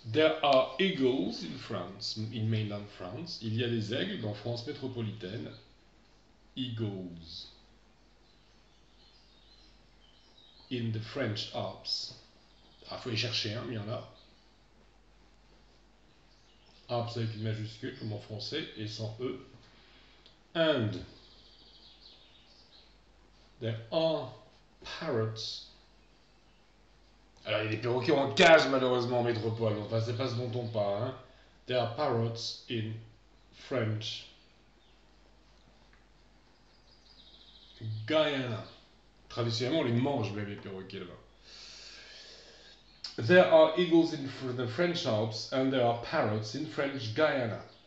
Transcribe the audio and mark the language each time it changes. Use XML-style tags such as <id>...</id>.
<en>There are eagles in France, in mainland France.</en> <fr>Il y a des aigles en France métropolitaine. Eagles.</fr> <en>In the French Alps.</en> <fr>Ah, faut y chercher, hein, il y en a. Alps avec une majuscule, comme en français, et sans E. And.</fr> <en>There are parrots.</en> <fr>Alors, il y a des perroquets en cage, malheureusement, en métropole. Enfin, c'est pas ce dont on parle. Hein.</fr> <en>There are parrots in French Guyana.</en> <fr>Traditionnellement, on les mange, même, les perroquets, là-bas.</fr> <en>There are eagles in the French Alps and there are parrots in French Guyana.</en>